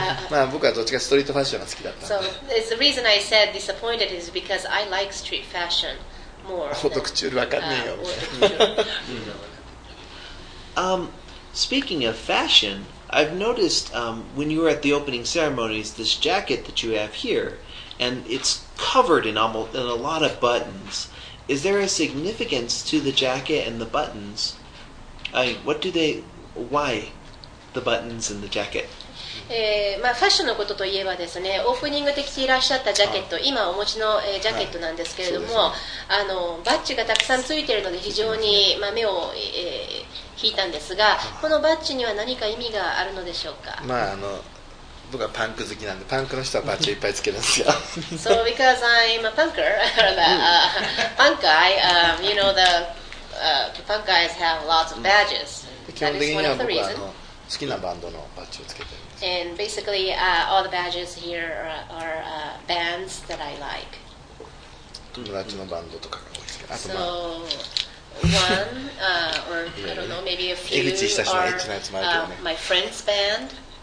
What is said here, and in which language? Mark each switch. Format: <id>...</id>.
<ja>まあ僕はどっちかストリートファッションが好きだった。</ja> <en>So the reason I said disappointed is because I like street fashion more.</en> <ja>オートクチュールわかんねえよ。</ja> <en>Speaking of fashion, I've noticed when you were at the opening ceremonies, this jacket that you have here, and it's covered in a lot of buttons. Is there a significance to the jacket and the buttons? Why the buttons and the jacket?</en> <ja>まあ、ファッションのことといえばですね、オープニングで着ていらっしゃったジャケット、今お持ちの、ジャケットなんですけれども、はい、あのバッジがたくさんついているので非常に、まあ、目を、引いたんですが、このバッジには何か意味があるのでしょうか。まああの僕はパンク好きなんで、パンクの人はバッチをいっぱいつけるんですよ。</ja> <en>So because I'm a punker, the punk guys have lots of badges.</en> <ja>基本的には僕はあの好きなバンドのバッチをつけてるんです。</ja> <en>And basically, all the badges here are bands that I like.</en> <ja>友達のバンドとかが多いですけど、あとまあ。</ja> <en>So... One, or I don't know, maybe a few are my friend's band.</en>